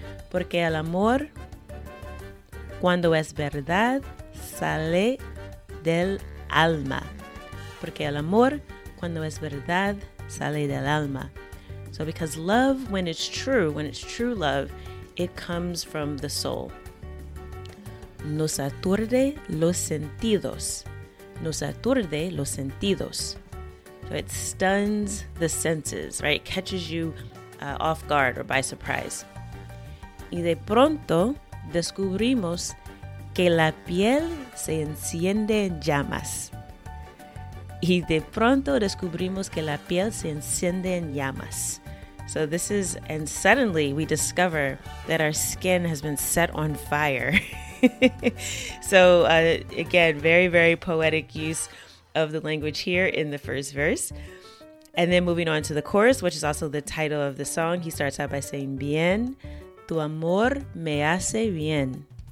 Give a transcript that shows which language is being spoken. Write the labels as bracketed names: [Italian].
[Spanish] Porque el amor, cuando es verdad, sale del alma. Porque el amor, cuando es verdad, sale del alma. [English] So because love, when it's true love, it comes from the soul. [Spanish] Nos aturde los sentidos. Nos aturde los sentidos. [English] So it stuns the senses, right? It catches you off guard or by surprise. [Spanish] Y de pronto descubrimos que la piel se enciende en llamas. Y de pronto descubrimos que la piel se enciende en llamas. [English] So this is, and suddenly we discover that our skin has been set on fire. So again, very, very poetic use of the language here in the first verse. And then moving on to the chorus, which is also the title of the song, he starts out by saying, [Spanish] bien, tu amor me hace bien.